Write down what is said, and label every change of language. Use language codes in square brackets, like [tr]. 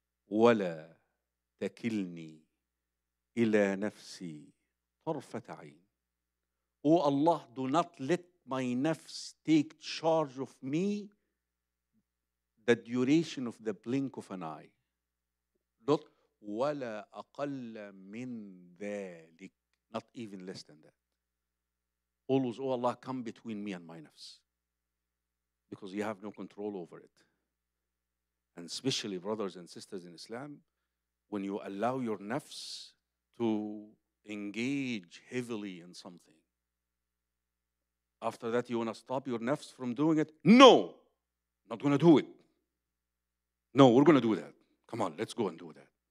[ar] وَلَا تَكِلْنِي إِلَىٰ نَفْسِي طَرْفَةَ عَيْنٍ. [en] O Allah, do not let my nafs take charge of me the duration of the blink of an eye. Not [ar] وَلَا أَقَلَّ مِنْ ذَلِكَ. [en] Not even less than that. Always, O Allah, come between me and my nafs. Because you have no control over it. And especially, brothers and sisters in Islam, when you allow your nafs to engage heavily in something, after that you want to stop your nafs from doing it? No! Not going to do it. No, we're going to do that. Come on, let's go and do that.